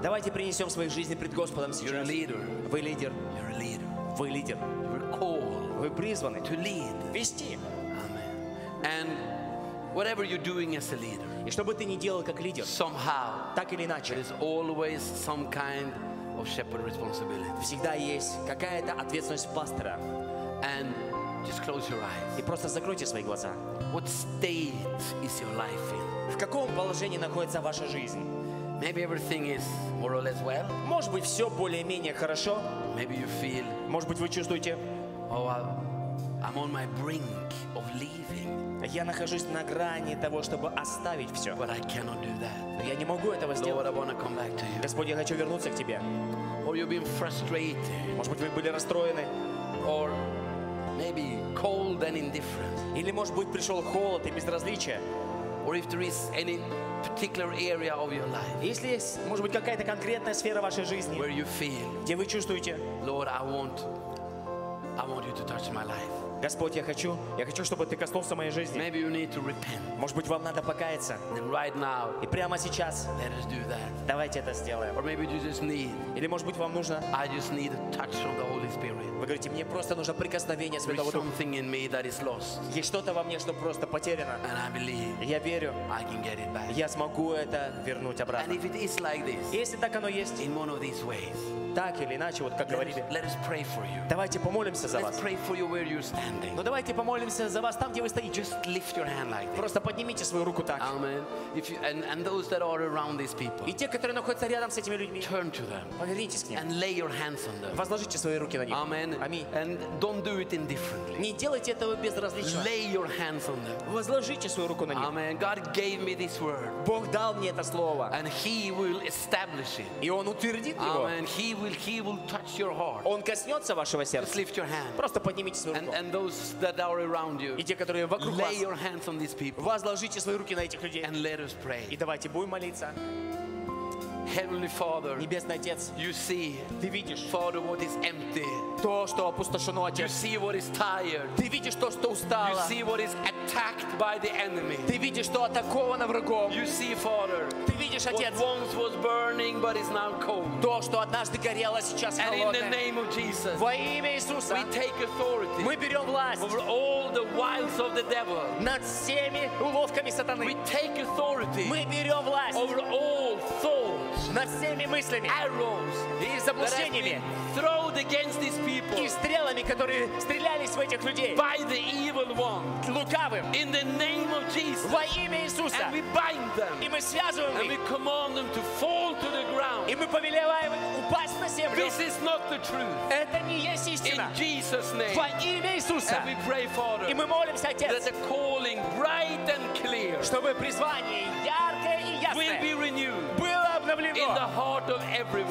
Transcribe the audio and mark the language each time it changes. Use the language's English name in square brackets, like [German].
[Russian] Давайте принесем свои жизни пред Господом сейчас. [English] You're a leader. [Russian] Вы лидер. [English] You're a leader. [Russian] Вы лидер. [English] You're called. [Russian] Вы призваны. [English] To lead. [Russian] Вести. [English] Amen. And whatever you're doing as a leader. [Russian] И что бы ты ни делал как лидер. [English] Somehow. [Russian] Так или иначе. [English] There is always some kind of shepherd responsibility. [Russian] Всегда есть какая-то ответственность пастора. [English] And just close your eyes. [Russian] И просто закройте свои глаза. [English] What state is your life in? [Russian] В каком положении находится ваша жизнь? [English] Maybe everything is more or less well. [Russian] Может быть, все более-менее хорошо. [English] Maybe you feel. [Russian] Может быть, вы чувствуете. [English] Oh, I'm on my brink of leaving. [Russian] Я нахожусь на грани того, чтобы оставить все. [English] But I cannot do that. [Russian] Я не могу этого сделать. [English] Lord, I want to come back to you. [Russian] Господь, я хочу вернуться к тебе. [English] Or you've been frustrated. [Russian] Может быть, вы были расстроены. [English] Or maybe cold and indifferent. [Russian] Или, может быть, пришел холод и безразличие. [English] Or if there is any particular area of your life. [Russian] Если есть, может быть, какая-то конкретная сфера вашей жизни. [English] Where you feel. [Russian] Где вы чувствуете? [English] Lord, I want you to touch my life. [Russian] Господь, я хочу, чтобы ты коснулся моей жизни. [English] Maybe you need to repent. [Russian] Может быть, вам надо покаяться. [English] Then right now. [Russian] И прямо сейчас. [English] Let us do that. [Russian] Давайте это сделаем. [English] Or maybe you just need. [Russian] Или, может быть, вам нужно. [English] I just need a touch from the Holy Spirit. [Russian] Вы говорите, мне просто нужно прикосновение Святого Духа. [English] There's something in me that is lost. [Russian] Есть что-то во мне, что просто потеряно. [English] And I believe. [Russian] Я верю. [English] I can get it back. [Russian] Я смогу это вернуть обратно. [English] And if it is like this. [Russian] Если так оно есть. [English] In one of these ways. [Russian] Так или иначе, вот как говорили. [English] Let us pray for you. [Russian] Давайте помолимся за вас. [English] Let's pray for you where you're standing. [Russian] Но давайте помолимся за вас там, где вы стоите. [English] Just lift your hand like this. [Russian] Просто поднимите свою руку так. [English] Amen. If you, and those that are around these people. [Russian] И те, которые находятся рядом с этими людьми. [English] Turn to them. [Russian] Повернитесь к ним. [English] And lay your hands on them. [Russian] Возложите свои руки на них. [English] Amen. [Russian] Аминь. [English] And don't do it indifferently. [Russian] Не делайте этого безразлично. [English] Lay your hands on them. [Russian] Возложите свою руку на них. [English] Amen. God gave me this word. [Russian] Бог дал мне это слово. [English] And He will establish it. [Russian] И Он утвердит его. [English] Amen. He will touch your heart. [Russian] Он коснется вашего сердца. [English] Just lift your hand. [Russian] Просто поднимите свою руку. [English] And those that are around you. [Russian] И те, которые вокруг вас. [English] Lay your hands on these people. [Russian] Возложите свои руки на этих людей. [English] And let us pray. [Russian] И давайте будем молиться. [English] Heavenly Father, [Russian] Небесный Отец, [English] you see, [Russian] ты видишь, [English] Father, what is empty, [Russian] то, что опустошено, [English] you see what is tired, [Russian] ты видишь, то, что устало, [English] you see what is attacked by the enemy, [Russian] ты видишь, что атаковано врагом, [English] you see, Father, [Russian] ты видишь, Отец, [English] what once was burning but is now cold, [Russian] то, что однажды горело, сейчас холодное, [English] and in the name of Jesus, [Russian] во имя Иисуса, [English] we take authority, [Russian] мы берем власть, [English] over all the wiles of the devil, [Russian] над всеми уловками сатаны, [English] we take authority, [Russian] мы берем власть, [English] over all thoughts, [Russian] над всеми мыслями, [English] arrows, [Russian] и заблуждениями, [English] thrown against these people, [Russian] и стрелами, которые стрелялись в этих людей, [English] by the evil one, [Russian] лукавым, [English] in the name of Jesus, [Russian] во имя Иисуса, [English] and we bind them, [Russian] и мы связываем их, [English] and we command them to fall to the ground, [Russian] и мы повелеваем упасть на землю. [English] This is not the truth. [Russian] Это не есть истина. [English] In Jesus' name, [Russian] во имя Иисуса, [English] and we pray, Father, [Russian] и мы молимся, Отец, [English] that the calling bright and clear, [Russian] чтобы призвание яркое и ясное [English] will be renewed, [Russian] было обновлено [English] in the heart of everyone,